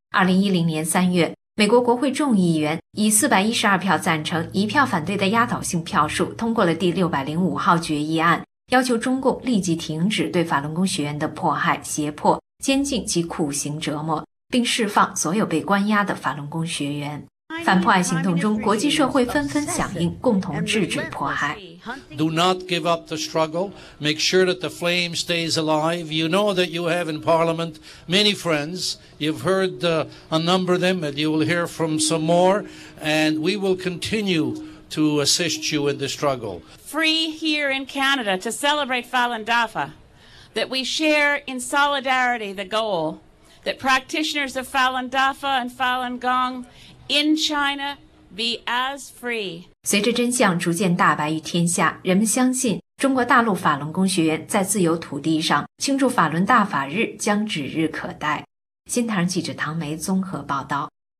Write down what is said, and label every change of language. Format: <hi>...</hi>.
<zh>2010年3月，美国国会众议员以412票赞成、一票反对的压倒性票数通过了第605号决议案，要求中共立即停止对法轮功学员的迫害、胁迫、监禁及苦刑折磨，并释放所有被关押的法轮功学员。反迫害行动中，国际社会纷纷响应，共同制止迫害。</zh> <en>Do not give up the struggle. Make sure that the flame stays alive. You know that you have in Parliament many friends. You've heard a number of them, and you will hear from some more. And we will continue to assist you in the struggle. Free here in Canada to celebrate Falun Dafa. That we share in solidarity the goal that practitioners of Falun Dafa and Falun Gong in China be as free.</en> <zh>随着真相逐渐大白于天下，人们相信中国大陆法轮功学员在自由土地上庆祝法轮大法日将指日可待。新唐人记者唐梅综合报道。</zh>